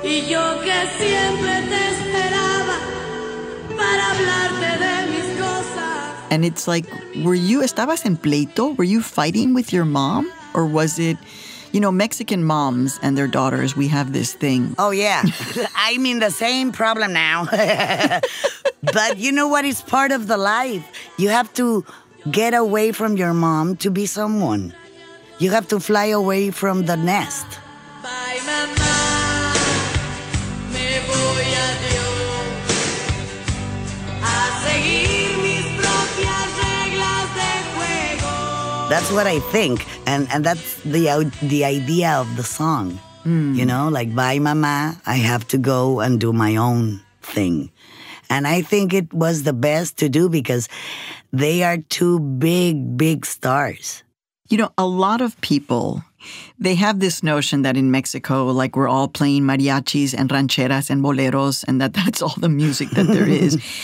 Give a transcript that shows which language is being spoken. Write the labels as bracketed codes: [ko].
[es] yo que siempre te esperaba para hablarte de mis cosas. [en] And it's like, were you, [es] estabas en pleito? [en] Were you fighting with your mom? Or was it, you know, Mexican moms and their daughters, we have this thing. Oh, yeah. I mean, the same problem now. But you know what? It's part of the life. You have to get away from your mom to be someone. You have to fly away from the nest. Bye, [es] mama. Me voy a Dios. A seguir mis propias reglas de juego. [en] That's what I think. And that's the idea of the song. Mm. You know, like, bye, mama. I have to go and do my own thing. And I think it was the best to do because they are two big, big stars. You know, a lot of people, they have this notion that in Mexico, like, we're all playing mariachis and rancheras and boleros and that that's all the music that there is.